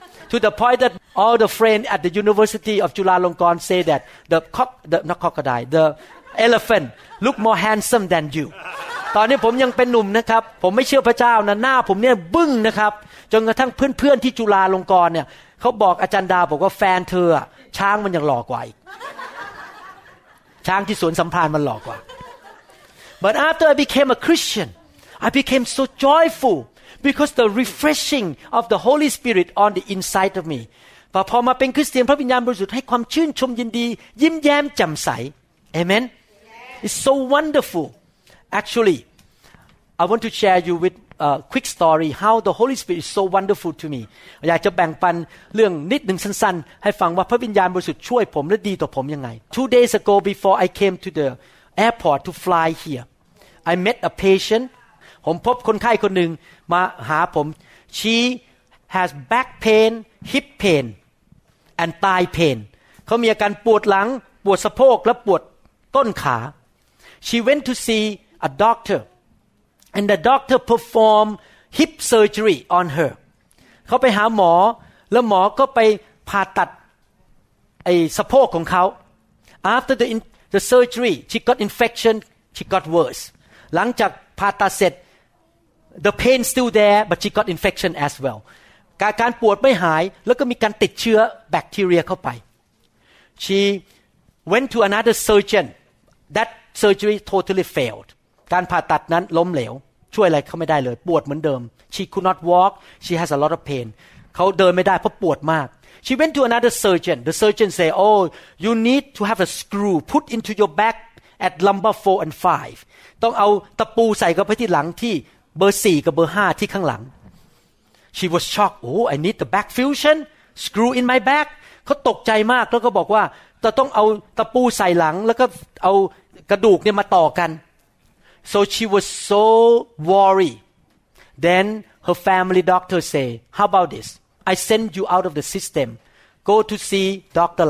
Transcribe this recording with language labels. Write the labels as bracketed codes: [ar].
[en] To the point that all the friends at the University of Chulalongkorn say that the not crocodile, the elephant look more handsome than you. [th] ตอนนี้ผมยังเป็นหนุ่มนะครับผมไม่เชื่อพระเจ้านะหน้าผมเนี่ยบึ้งนะครับจนกระทั่งเพื่อนๆที่จุฬาลงกรณ์เนี่ยเขาบอกอาจารย์ดาวบอกว่าแฟนเธอช้างมันยังหล่อกว่าอีกช้างที่สวนสัมพันธ์มันหล่อกว่า [en] But after I became a Christian I became so joyful because the refreshing of the Holy Spirit on the inside of me [th] พอมาเป็นคริสเตียนพระวิญญาณบริสุทธิ์ให้ความชื่นชมยินดียิ้มแย้มแจ่มใสเอเมน [en] It's so wonderful. Actually, I want to share you with a quick story how the Holy Spirit is so wonderful to me. I want to share with you a quick story how the Holy Spirit is so wonderful to me. I want to share with you. 2 days ago, before I came to the airport to fly here, I met a patient. [th] ผมพบคนไข้คนหนึ่งมาหาผม. [en] She has back pain, hip pain, and thigh pain. [th] เขามีอาการปวดหลัง ปวดสะโพก และปวดต้นขา [en] She went to see a doctor, and the doctor performed hip surgery on her. [th] เขาไปหาหมอแล้วหมอก็ไปผ่าตัดไอ้สะโพกของเขา [en] After the surgery, she got infection. She got worse. [th] หลังจากผ่าตัดเสร็จ [en] the pain still there, but she got infection as well. [th] การปวดไม่หายแล้วก็มีการติดเชื้อแบคทีเรียเข้าไป [en] She went to another surgeon that. Surgery totally failed. [th] การผ่าตัดนั้นล้มเหลวช่วยอะไรเขาไม่ได้เลยปวดเหมือนเดิม [en] She could not walk. She has a lot of pain. [th] เขาเดินไม่ได้เพราะปวดมาก [en] She went to another surgeon. The surgeon said, "Oh, you need to have a screw put into your back at lumbar 4 and 5. [th] ต้องเอาตะปูใส่กับไปที่หลังที่เบอร์สี่กับเบอร์ห้าที่ข้างหลัง [en] She was shocked. Oh, I need the back fusion screw in my back. [th] เขาตกใจมากแล้วก็บอกว่าจะต้องเอาตะปูใส่หลังแล้วก็เอากระดูกเนี่ยมาต่อกัน [en] so she was so worried then her family doctor say how about this I send you out of the system go to see Dr.